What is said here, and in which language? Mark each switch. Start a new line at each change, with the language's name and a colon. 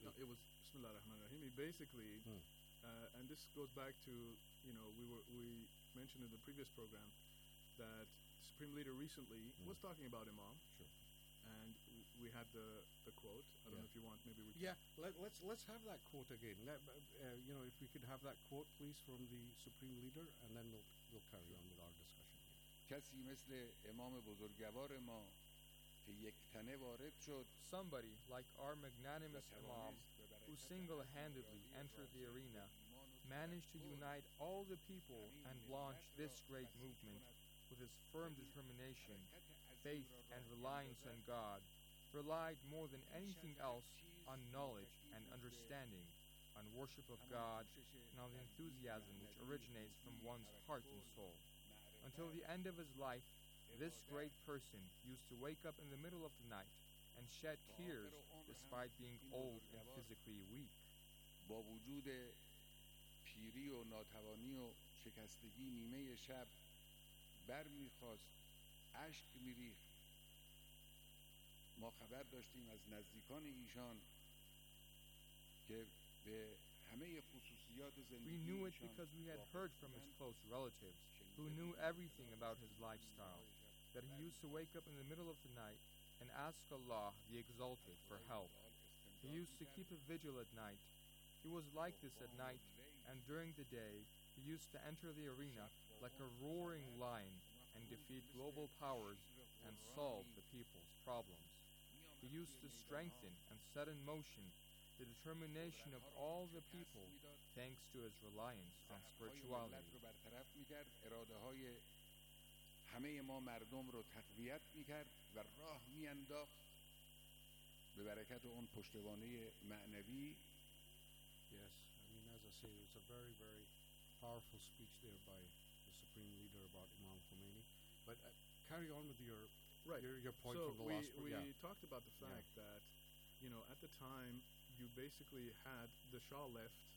English: No, it was, bismillah ar-Rahman ar-Rahim, basically, and this goes back to, you know, we mentioned in the previous program that Supreme Leader recently was talking about Imam. Sure. And we had the quote. I don't know if you want, maybe we can. Yeah, let's have that quote again. If we could have that quote, please, from the Supreme Leader, and then we'll carry on with our discussion.
Persian: کسی مثل امام بزرگوار ما که یک تنه وارد شد.
English: Somebody like our magnanimous Imam, who single-handedly entered the arena, managed to unite all the people and launch this great movement with his firm determination, faith, and reliance on God, relied more than anything else on knowledge and understanding, on worship of God, and on the enthusiasm which originates from one's heart and soul. Until the end of his life, this great person used to wake up in the middle of the night and shed tears despite being old and physically weak.
Persian: با وجود پیری و ناتوانی و شکستگی نیمه شب بر میخواست اشک میریخت. ما خبر داشتیم از نزدیکان ایشان که به همه خصوصیات زندگی
English: We knew it because we had heard from his close relatives, who knew everything about his lifestyle, that he used to wake up in the middle of the night and ask Allah, the Exalted, for help. He used to keep a vigil at night. He was like this at night, and during the day, he used to enter the arena like a roaring lion and defeat global powers and solve the people's problems. He used to strengthen and set in motion the determination of all the people thanks to his reliance on spirituality.
Persian: میکرد اراده های همه ما مردم رو تقویت میکرد و راه میانداخت به برکت اون پشتوانه معنوی.
English: Yes, I mean, as I say, it's a very, very powerful speech there by the Supreme Leader about Imam Khomeini. But carry on with your point. So from the last we talked about the fact that, you know, at the time you basically had the Shah left.